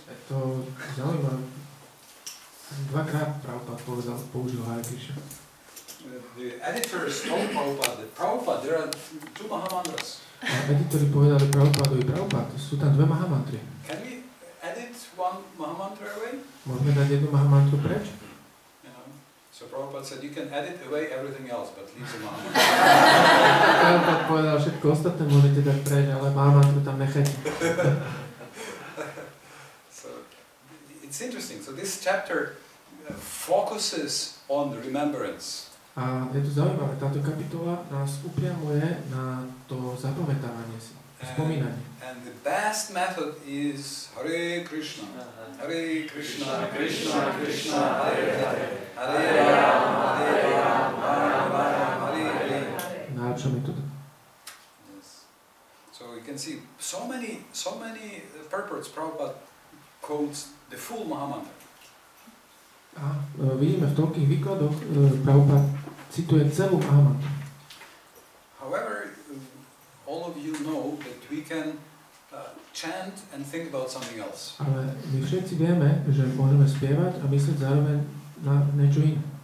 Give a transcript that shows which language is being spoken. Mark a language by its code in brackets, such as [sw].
[sk] To je zaujímavé. Dvakrát Prabhupada použil Hare [en] Krishna. The editors told Prabhupada, there are 2 Mahamantras. [sk] Editori povedali Prabhupada i Prabhupada, sú tam 2 Mahamantry. [en] Can we edit 1 Mahamantra away? [sk] Môžeme dať 1 Mahamantru preč? [en] So Prabhupada said, you can edit away everything else, but leave the Mahamantra. [sk] Prabhupada povedal, všetko ostatné môžete dať preň, ale Mahamantru tam nechajte. [en] So, it's interesting. So this chapter focuses on remembrance. [sk] A je to zaujímavé, táto kapitola nás upriamuje na to zapamätávanie si, spomínanie. [en] And the best method is Hare Krishna. [sa] Hare Krishna, Krishna, Krishna, Hare Hare. Hare Rama, Hare Rama, Rama Rama, Hare Hare. [sk] Najlepšia metóda. [en] Yes. So you can see so many purports Prabhupada quotes the full Mahamantra. [sk] A vidíme v toľkých výkladoch Prabhupada cituje celú Mahamantru. [en] However, all of you know that we can chant and think about something else. [sk] Ale my všetci vieme, že môžeme spievať a myslieť zároveň na niečo iné.